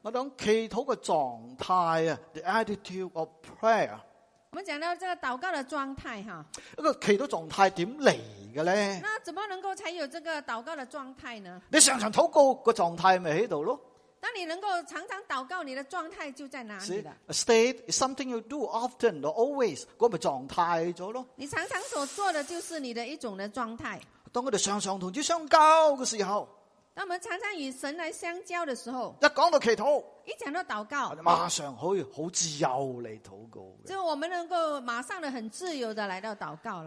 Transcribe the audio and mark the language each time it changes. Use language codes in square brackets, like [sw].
[zh] 那种祈祷的状态 , [en] the attitude of prayer。 [zh] 我们讲到这个祷告的状态哈。那个祈祷状态怎么来的呢？那怎么能够才有这个祷告的状态呢？你常常祷告的状态就在这里。当你能够常常祷告你的状态就在哪里了。 [en] A state is something you do often or always, [zh] 那就状态了。你常常所做的就是你的一种的状态。当我们常常同主相交的时候。当我们常常与神来相交的时候。一讲到祈祷。一讲到祷告。马上可以很自由来祷告。就我们能够马上的很自由的来到祷告。